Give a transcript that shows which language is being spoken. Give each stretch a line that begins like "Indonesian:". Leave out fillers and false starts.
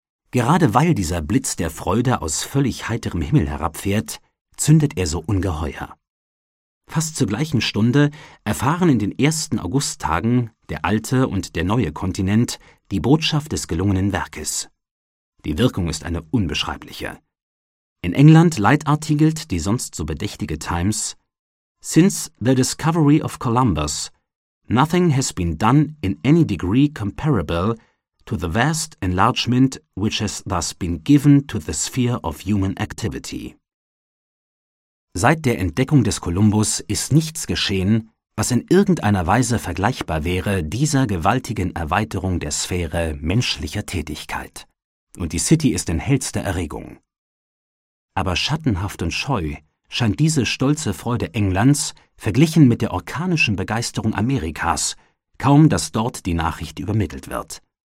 German: Gerade weil dieser Blitz der Freude aus völlig heiterem Himmel herabfährt, zündet er so ungeheuer. Fast zur gleichen Stunde erfahren in den ersten Augusttagen der alte und der neue Kontinent die Botschaft des gelungenen Werkes. Die Wirkung ist eine unbeschreibliche. In England leitartikelt die sonst so bedächtige Times:
English: Since the discovery of Columbus, nothing has been done in any degree comparable to the vast enlargement which has thus been given to the sphere of human activity.
German: Seit der Entdeckung des Kolumbus ist nichts geschehen, was in irgendeiner Weise vergleichbar wäre dieser gewaltigen Erweiterung der Sphäre menschlicher Tätigkeit. Und die City ist in hellster Erregung. Aber schattenhaft und scheu scheint diese stolze Freude Englands verglichen mit der orkanischen Begeisterung Amerikas, kaum dass dort die Nachricht übermittelt wird.